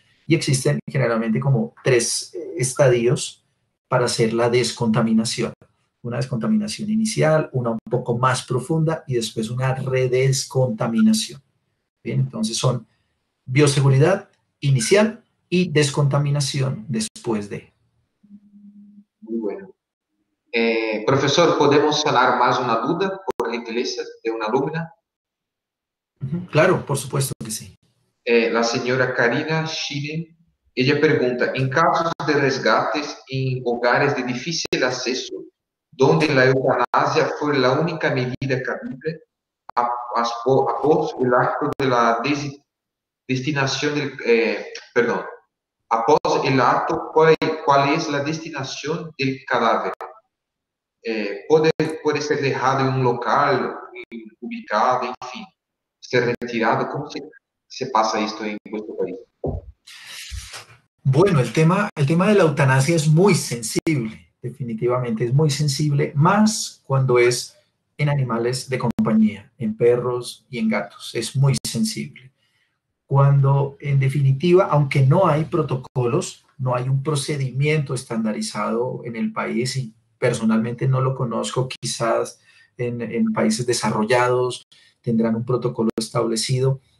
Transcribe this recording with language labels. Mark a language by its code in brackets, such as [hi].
[es] Y existen generalmente como tres estadios para hacer la descontaminación. Una descontaminación inicial, una un poco más profunda y después una redescontaminación. Bien, entonces son bioseguridad inicial y descontaminación después de. [pt] Professor, podemos sanar mais uma dúvida, por gentileza, de uma alumna? [es] Claro, por supuesto que sim. [pt] A senhora Karina Schillen, ela pergunta, em casos de resgates em lugares de difícil acesso, onde a eutanásia foi a única medida cabível após o ato de la destinação de... perdão. Após o ato, qual é a destinação do cadáver? Pode ser deixado em um local ubicado, enfim, ser retirado. Como se passa isso em vuestro país? [es] Bueno, el tema de la eutanasia es muy sensible, definitivamente es muy sensible, más cuando es en animales de compañía, en perros y en gatos, es muy sensible. Cuando, en definitiva, aunque no hay protocolos, no hay un procedimiento estandarizado en el país, y personalmente no lo conozco, quizás en países desarrollados tendrán un protocolo establecido.